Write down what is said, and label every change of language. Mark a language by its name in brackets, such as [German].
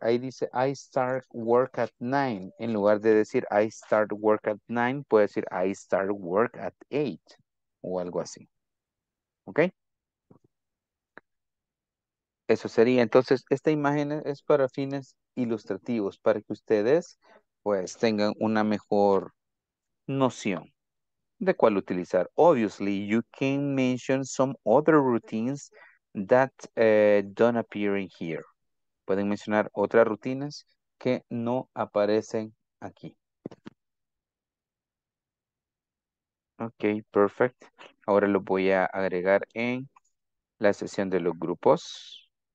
[Spanish] Ahí dice, [English] I start work at 9. [Spanish] En lugar de decir, [English] I start work at 9, [Spanish] puede decir, [English] I start work at 8. [Spanish] O algo así. [English] ¿Ok? [Spanish] Eso sería. Entonces, esta imagen es para fines ilustrativos, para que ustedes, pues, tengan una mejor noción de cuál utilizar. [English] Obviously, you can mention some other routines that don't appear in here. [Spanish] Pueden mencionar otras rutinas que no aparecen aquí. [English] Ok, perfect. [Spanish] Ahora lo voy a agregar en la sesión de los grupos.